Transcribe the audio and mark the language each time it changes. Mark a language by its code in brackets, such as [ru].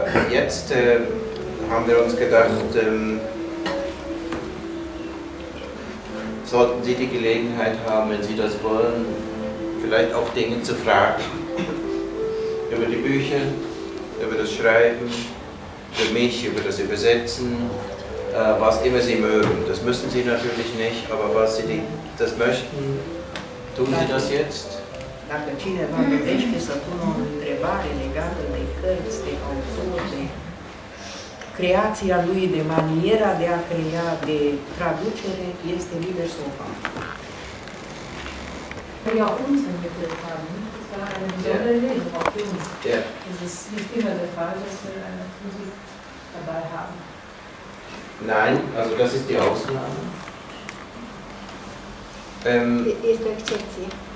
[de] jetzt haben wir uns gedacht, sollten Sie die Gelegenheit haben, wenn Sie das wollen, vielleicht auch Dinge zu fragen über die Bücher, über das Schreiben, für mich, über das Übersetzen, was immer Sie mögen. Das müssen Sie natürlich nicht, aber was Sie das möchten, tun Sie das jetzt. [ro] Dacă cineva dorește să pună o întrebare legată de cărți, de autor, de creația lui, de maniera de a crea, de traducere, este liber să o facă. [de] Ja, uns haben wir gefragt, das war eine besondere Lesung auch für uns. Yeah. Es ist nicht immer der Fall, dass wir eine Musik dabei haben. Nein, also das ist die Ausnahme. Ist akzeptiert.